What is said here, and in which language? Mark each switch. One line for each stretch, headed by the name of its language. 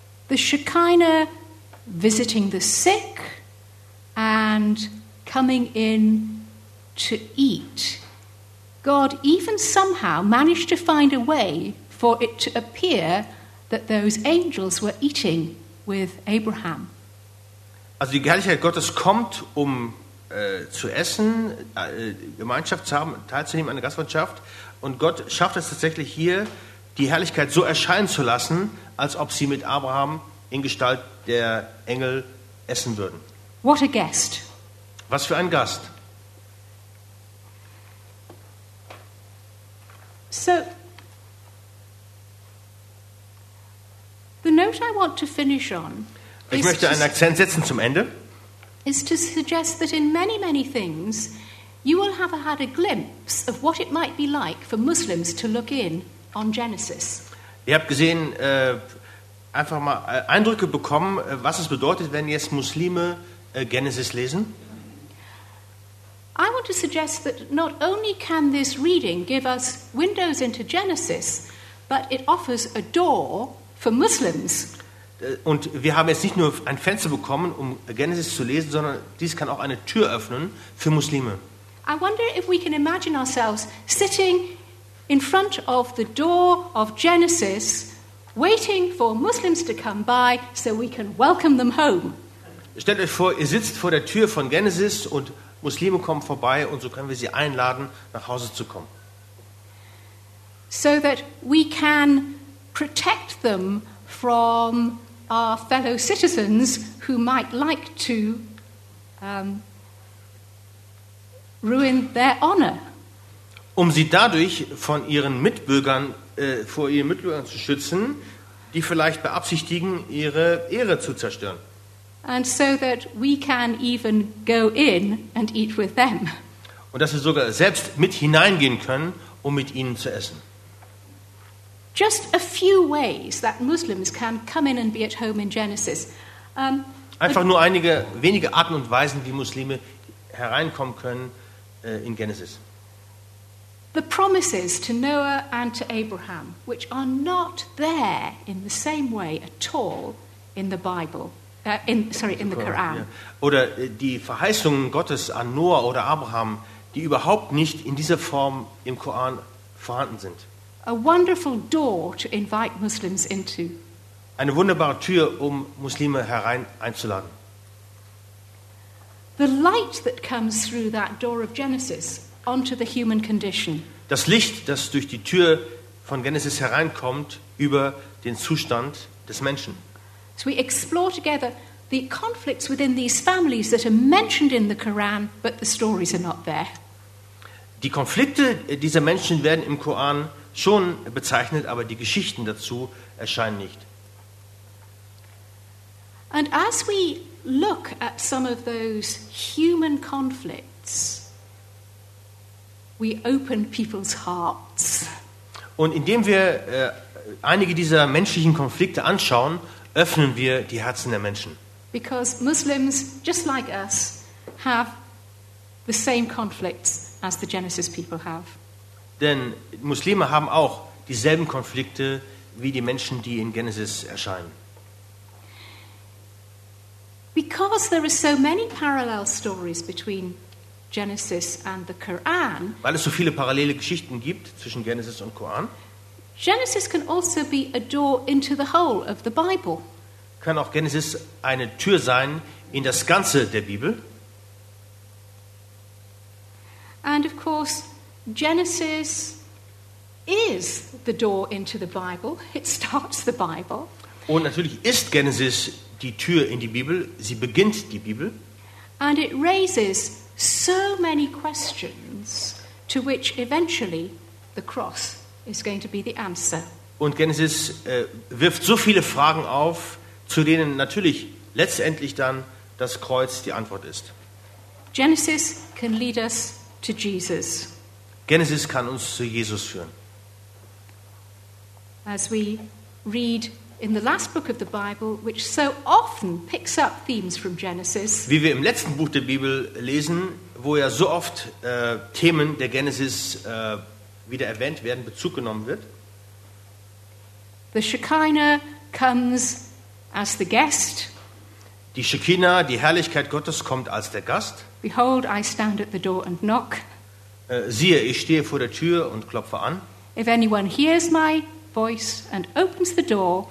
English: The Shekinah visiting the sick and coming in to eat. God even somehow managed to find a way for it to appear that those angels were eating with Abraham.
German: Also die Herrlichkeit Gottes kommt, um zu essen, Gemeinschaft zu haben, teilzunehmen an der Gastfreundschaft. Und Gott schafft es tatsächlich hier, die Herrlichkeit so erscheinen zu lassen, als ob sie mit Abraham in Gestalt der Engel essen würden.
English: What a guest.
German: Was für ein Gast.
English: So, the note I want to finish on.
German: Ich möchte einen Akzent setzen zum Ende.
English: Is to suggest that in many, many things you will have had a glimpse of what it might be like for Muslims to look in on Genesis.
German: Ihr habt gesehen, einfach mal Eindrücke bekommen, was es bedeutet, wenn jetzt Muslime Genesis lesen.
English: I want to suggest that not only can this reading give us windows into Genesis, but it offers a door for Muslims.
German: Und wir haben jetzt nicht nur ein Fenster bekommen, um Genesis zu lesen, sondern dies kann auch eine Tür öffnen für Muslime.
English: I wonder if we can imagine ourselves sitting in front of the door of Genesis, waiting for Muslims to come by, so we can welcome them home.
German: Stellt euch vor, ihr sitzt vor der Tür von Genesis und Muslime kommen vorbei und so können wir sie einladen, nach Hause zu kommen.
English: So that we can protect them from our fellow citizens who might like to ruin their honor.
German: Um sie dadurch von ihren Mitbürgern vor ihren Mitbürgern zu schützen, die vielleicht beabsichtigen, ihre Ehre zu zerstören.
English: And so that we can even go in and eat with them.
German: Und dass wir sogar selbst mit hineingehen können, um mit ihnen zu essen.
English: Just a few ways that Muslims can come in and be at home in Genesis.
German: Einfach nur einige wenige Arten und Weisen, wie Muslime hereinkommen können in Genesis.
English: the promises to Noah and to Abraham, which are not there in the same way at all in the Bible, in the Quran. Yeah.
German: Oder die Verheißungen Gottes an Noah oder Abraham, die überhaupt nicht in dieser Form im Koran vorhanden sind.
English: A wonderful door to invite Muslims into.
German: Eine wunderbare Tür, um Muslime herein einzuladen.
English: The light that comes through that door of Genesis onto the human condition.
German: Das Licht, das durch die Tür von Genesis hereinkommt, über den Zustand des Menschen.
English: So we explore together the conflicts within these families that are mentioned in the Quran, but the stories are not there.
German: Die Konflikte dieser Menschen werden im Koran schon bezeichnet, aber die Geschichten dazu erscheinen nicht.
English: And as we look at some of those human conflicts, we open people's hearts.
German: Und indem wir einige dieser menschlichen Konflikte anschauen, öffnen wir die Herzen der Menschen.
English: Because Muslims, just like us, have the same conflicts as the Genesis people have.
German: Denn Muslime haben auch dieselben Konflikte wie die Menschen, die in Genesis erscheinen.
English: Because there are so many parallel stories between Genesis and the Quran.
German: Weil es so viele parallele Geschichten gibt zwischen Genesis und Koran.
English: Genesis can also be a door into the whole of the Bible.
German: Kann auch Genesis eine Tür sein in das Ganze der Bibel.
English: And of course, Genesis is the door into the Bible. It starts the Bible.
German: Und natürlich ist Genesis die Tür in die Bibel. Sie beginnt die Bibel.
English: And it raises so many questions to which eventually the cross is going to be the answer.
German: Und Genesis wirft so viele Fragen auf, zu denen natürlich letztendlich dann das Kreuz die Antwort ist.
English: Genesis can lead us to Jesus.
German: Genesis kann uns zu Jesus führen.
English: As we read in the last book of the Bible, which so often picks up themes from Genesis.
German: Wie wir im letzten Buch der Bibel lesen, wo ja so oft Themen der Genesis wieder erwähnt werden, Bezug genommen wird.
English: The Shekinah comes as the guest.
German: Die Shekinah, die Herrlichkeit Gottes, kommt als der Gast.
English: Behold, I stand at the door and knock.
German: Siehe, ich stehe vor der Tür und klopfe an.
English: If anyone hears my voice and opens the door,